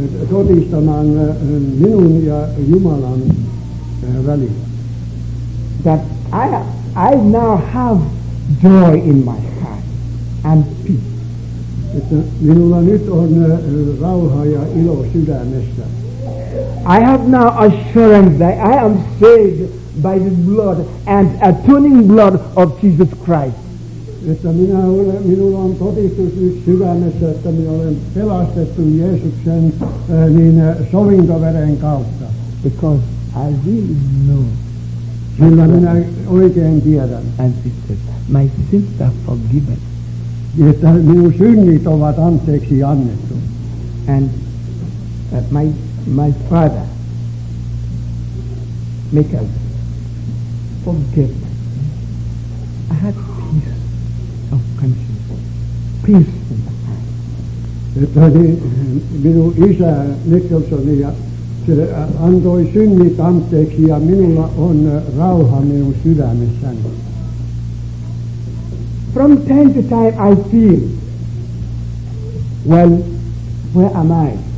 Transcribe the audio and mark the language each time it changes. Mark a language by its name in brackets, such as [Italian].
[Finnish] Todistamaan minun ja Jumalan välillä. [English] That I now have joy in my heart and peace. [Finnish] Minulla nyt on rauha ja ilo sydämessä. [English] I have now assurance that I am saved by the blood and atoning blood of Jesus Christ. [Finnish] Että minulla on todistus sydämessä, että minä olen pelastettu Jeesuksen niin sovintoveren kautta. [English] Because I really know. [Finnish] Kyllä minä oikein tiedän. [English] And sisters, my sins are forgiven. [Finnish] Että minun synnit ovat anteeksi annettu. [English] And that my father, Mikael, forgive. I had peace of conscience, peace in my heart. [Finnish] Minun isä Mikkelsoni antoi synnit anteeksi ja minulla on rauha minun sydämessäni. [English] From time to time I feel, well, where am I?